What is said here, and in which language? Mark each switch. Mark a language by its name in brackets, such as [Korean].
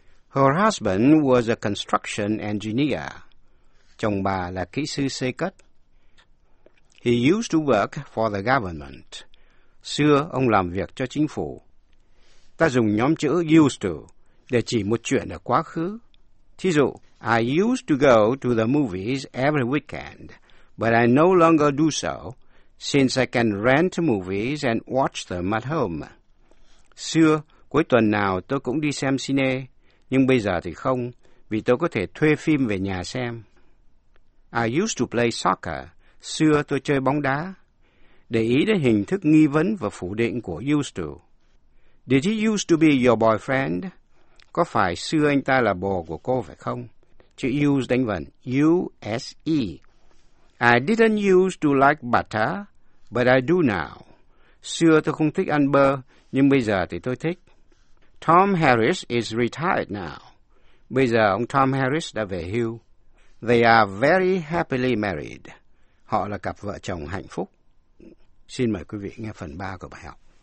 [English] Her husband was a construction engineer. [Vietnamese] Chồng bà là kỹ sư xây cất. [English] He used to work for the government. [Vietnamese] Xưa ông làm việc cho chính phủ. Ta dùng nhóm chữ used to để chỉ một chuyện ở quá khứ. Thí dụ, [English] I used to go to the movies every weekend, but I no longer do so since I can rent movies and watch them at home. [Vietnamese] Xưa, cuối tuần nào tôi cũng đi xem cine, nhưng bây giờ thì không, vì tôi có thể thuê phim về nhà xem. [English] I used to play soccer. [Vietnamese] Xưa tôi chơi bóng đá. Để ý đến hình thức nghi vấn và phủ định của used to. [English] Did he used to be your boyfriend? [Vietnamese] Có phải xưa anh ta là bồ của cô phải không? Chữ use đánh vần, U-S-E. [English] I didn't used to like butter, but I do now. [Vietnamese] Xưa tôi không thích ăn bơ, nhưng bây giờ thì tôi thích. [English] Tom Harris is retired now. [Vietnamese] Bây giờ ông Tom Harris đã về hưu. [English] They are very happily married. [Vietnamese] Họ là cặp vợ chồng hạnh phúc. Xin mời quý vị nghe phần 3 của bài học.